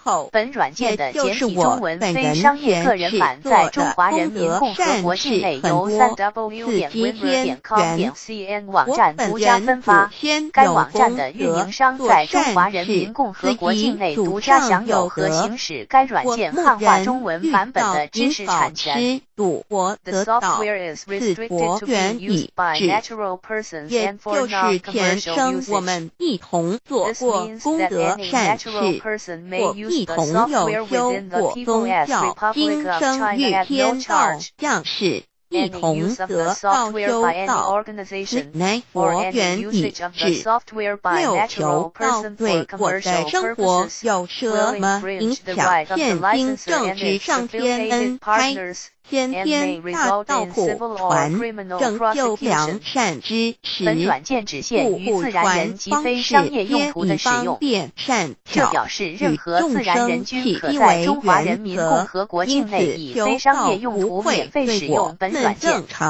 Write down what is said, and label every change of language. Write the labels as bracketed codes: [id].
[zh] 本软件的简体中文非商业个人版，在中华人民共和国境内由 www.wimmer.com.cn 网站独家分发。该网站的运营商在中华人民共和国境内独家享有和行使该软件汉化中文版本的知识产权。 [en] The software is restricted to be used by natural persons and for non-commercial usage. This means that any natural person may use the software within the People's Republic of China at no charge. Any use of the software by any organization or any usage of the software by natural person for commercial purposes will infringe the right of the licensor and its affiliated partners. [zh] 天天大道普传，拯救良善之时，本软件只限于自然人及非商业用途的使用，这表示任何自然人均可在中华人民共和国境内以非商业用途免费使用本软件。